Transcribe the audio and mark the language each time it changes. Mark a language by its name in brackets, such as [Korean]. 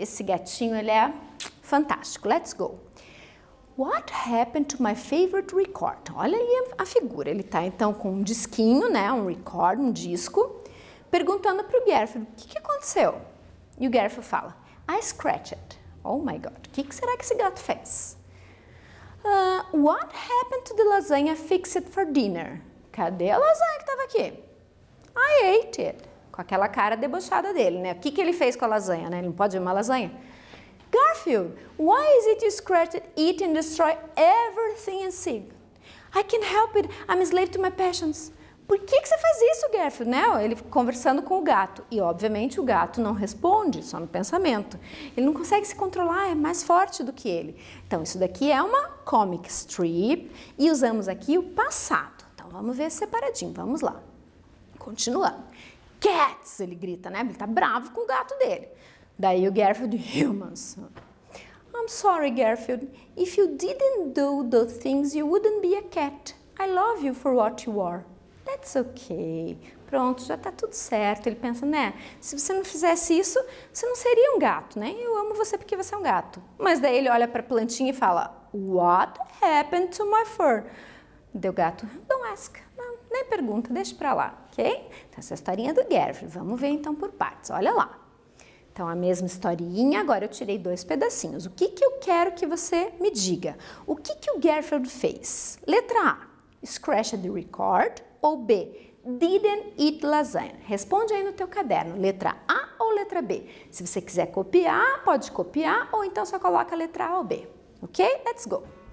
[Portuguese] Esse gatinho, ele é fantástico. [English] Let's go. What happened to my favorite record? [Portuguese] Olha aí a figura. Ele tá então com um disquinho, né? Um record, um disco. Perguntando pro Garfield, o que, que aconteceu? E o Garfield fala, [English] I scratched it. Oh my God, [Portuguese] o que, que será que esse gato fez? [English] What happened to the lasagna fixed for dinner? [Portuguese] Cadê a lasanha que tava aqui? [English] I ate it. [Portuguese] Com aquela cara debochada dele, né? O que, que ele fez com a lasanha, né? Ele não pode comer uma lasanha. [English] Garfield, why is it you scratch it, eat and destroy everything and see? I can't help it. I'm a slave to my passions. [Portuguese] por que que você faz isso, Garfield? Né? Ele conversando com o gato. E, obviamente, o gato não responde, só no pensamento. Ele não consegue se controlar, é mais forte do que ele. Então, isso daqui é uma comic strip e usamos aqui o passado. Então, vamos ver separadinho, vamos lá. Continuando. Cats, ele grita, né? Ele tá bravo com o gato dele. Daí o Garfield, humans. [English] I'm sorry, Garfield. If you didn't do those things, you wouldn't be a cat. I love you for what you are. That's okay. [Portuguese] Pronto, já tá tudo certo. Ele pensa, né? Se você não fizesse isso, você não seria um gato, né? Eu amo você porque você é um gato. Mas daí ele olha pra plantinha e fala, [English] what happened to my fur? [Portuguese] Deu gato, [English] don't ask. [Portuguese] Não, nem pergunta, deixa pra lá, ok? Então, essa é a historinha do Garfield. Vamos ver então por partes, olha lá. Então, a mesma historinha, agora eu tirei dois pedacinhos. O que que eu quero que você me diga? O que que o Garfield fez? [English] Letra A, scratched the record, ou B, didn't eat lasagna? [Portuguese] Responde aí no teu caderno, letra A ou letra B. Se você quiser copiar, pode copiar, ou então só coloca a letra A ou B. [English] Ok? Let's go!